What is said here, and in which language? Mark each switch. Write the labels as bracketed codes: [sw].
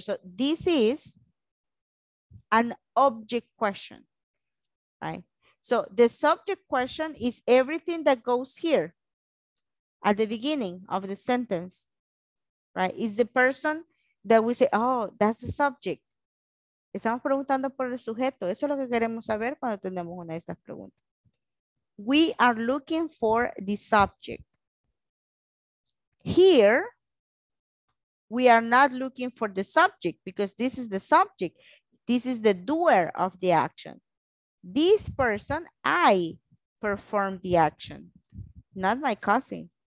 [en] So this is an object question, right? So the subject question is everything that goes here at the beginning of the sentence, right? Is the person that we say, oh, that's the subject. [es] Estamos preguntando por el sujeto. Eso es lo que queremos saber cuando tenemos una de estas preguntas. [en] We are looking for the subject. Here, we are not looking for the subject because this is the subject. This is the doer of the action. This person, I performed the action, not my cousin.